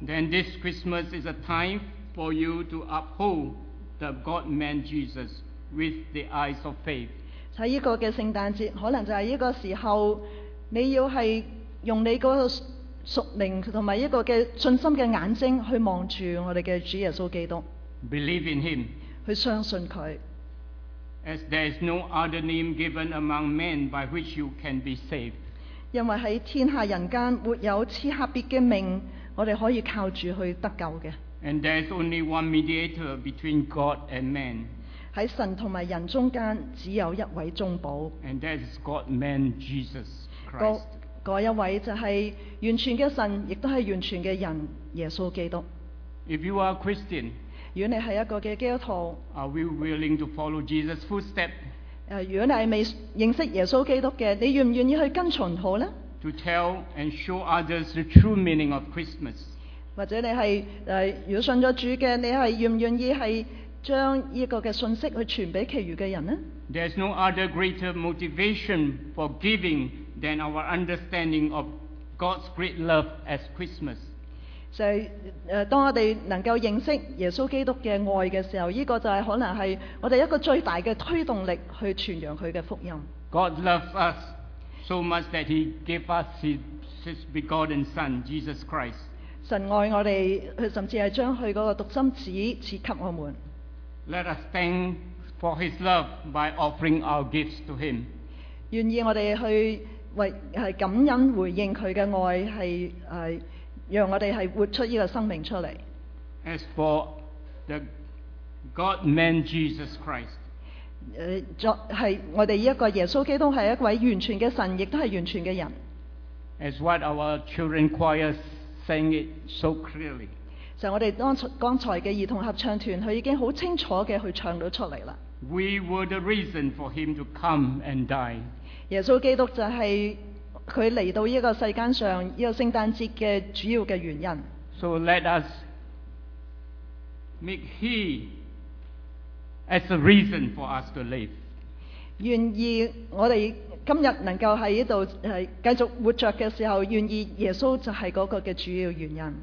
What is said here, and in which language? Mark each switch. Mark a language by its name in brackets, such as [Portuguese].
[English] then this Christmas is a time for you to uphold the God-man Jesus with the eyes of faith. [Chinese] 在这个圣诞节，可能就是这个时候，你要是用你的属灵和一个信心的眼睛去望住我们的主耶稣基督。 [English] Believe in him. [Chinese] 去相信他。 [English] As there is no other name given among men by which you can be saved. [Chinese] 因为在天下人间没有赐下别的命，我们可以靠住去得救的。 [English] And there is only one mediator between God and man. [Chinese] 在神和人中间只有一位中保。 [English] And that is God-man Jesus Christ. [Chinese] 那一位就是完全的神，也是完全的人，耶稣基督。 [English] If you are a Christian, [Chinese] 如果你是一个基督徒， [English] are we willing to follow Jesus' footsteps? [Chinese] 如果你是未认识耶稣基督的，你愿不愿意去跟从他呢？ [English] To tell and show others the true meaning of Christmas. [Chinese] 或者你是如果信了主的，你是愿不愿意是将这个信息去传给其余的人呢？ [English] There's no other greater motivation for giving than our understanding of God's great love as Christmas. [Chinese] 就是当我们能够认识耶稣基督的爱的时候，这个就是可能是我们一个最大的推动力去传扬他的福音。 [English] God loves us so much that he gave us his begotten son Jesus Christ。 [Chinese] 神爱我们，他甚至是将他的独生子赐给我们。 [English] Let us thank for his love by offering our gifts to him。 [Chinese] 愿意我们去为感恩回应他的爱，是让我们是活出这个生命出来。 [English] As for the God-man Jesus Christ， [Chinese] 是我们这个耶稣基督是一位完全的神，也是完全的人。 [English] As what our children choir sang it so clearly， [Chinese] 就我们刚才的儿童合唱团，他已经很清楚地去唱了出来了。 [English] We were the reason for him to come and die。 [Chinese] 耶稣基督就是他来到这个世间上，这个圣诞节的主要的原因。 [English] So let us make he as a reason for us to live。 [Chinese] 愿意我们今天能够在这里继续活着的时候，愿意耶稣就是那个的主要原因。